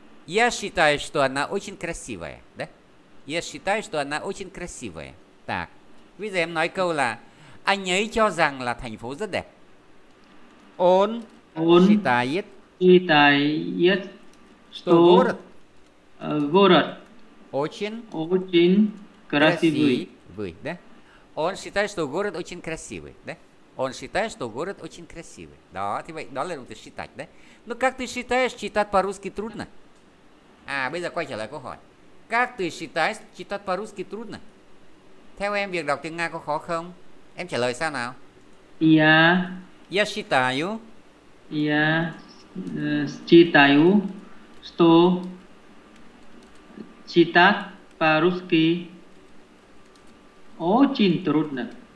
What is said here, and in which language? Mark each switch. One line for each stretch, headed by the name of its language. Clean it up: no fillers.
Russian: Я считаю, что она очень красивая. Да? Я считаю, что она очень красивая. Так.
Vietnamese: Bây giờ em nói câu là anh ấy cho rằng là thành phố rất đẹp.
Russian: Он считает. Считает. Что город? Город. Очень. Очень красивый. Красивый, да? Он считает, что город очень красивый, да? Он считает, что город очень красивый. Да, ты вы, да, ладно, ты считать, да? Ну, как ты считаешь, читать по-русски трудно?
Vietnamese: А, bây giờ quay trở lại câu hỏi.
Russian: Как ты считаешь, читать по-русски трудно?
Vietnamese: Theo em, việc đọc tiếng Nga có khó không? Em trả lời sao nào?
Russian: Я. Я считаю. Я считаю, что читать по-русски очень трудно.